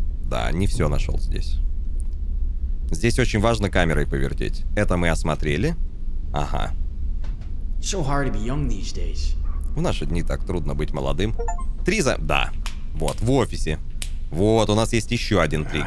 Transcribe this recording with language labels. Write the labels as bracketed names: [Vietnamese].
[Russian] Да, не все нашел здесь. Здесь очень важно камерой повертеть. Это мы осмотрели. Ага. [English] So hard to be young these days. [Russian] В наши дни так трудно быть молодым. Триза, да. Вот, в офисе. Вот, у нас есть еще один триггер.